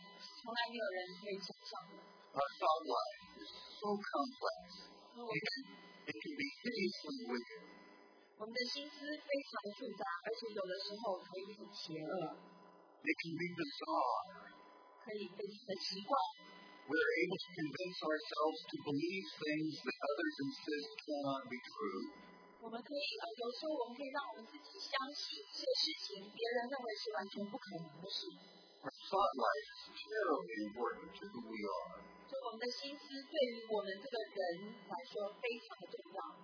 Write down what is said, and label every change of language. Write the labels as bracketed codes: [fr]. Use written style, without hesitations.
[en] sure. [zh] 有的时候呢，我们心里就会有一些很奇怪的想法，从来没有人可以想象的。 [en] Our thought life is so complex. It can be hideously wicked. [zh] 我们的心思非常复杂，而且有的时候可以很邪恶。 [en] It can be bizarre. [zh] 可以非常的奇怪. [en] We're able to convince ourselves to believe things that others insist cannot be true. [zh] 我们可以有时候我们可以让我们自己相信一些事情，别人认为是完全不可能的事。 [en] Our thought life is terribly important to who we are. [zh] 就我们的心思对于我们这个人来说非常的重要.